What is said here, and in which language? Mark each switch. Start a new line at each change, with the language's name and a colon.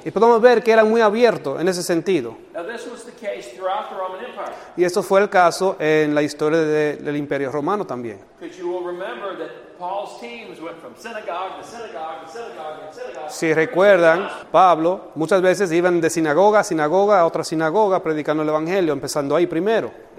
Spanish: Y podemos ver que eran muy abiertos en ese sentido.
English: Now, this was the case throughout the Roman Empire.
Spanish: Y esto fue el caso en la historia del Imperio Romano también.
English: Because you will remember that Paul's teams went from synagogue to synagogue to synagogue to synagogue.
Spanish: Si recuerdan, Pablo muchas veces iban de sinagoga a sinagoga a otra sinagoga predicando el Evangelio, empezando ahí primero.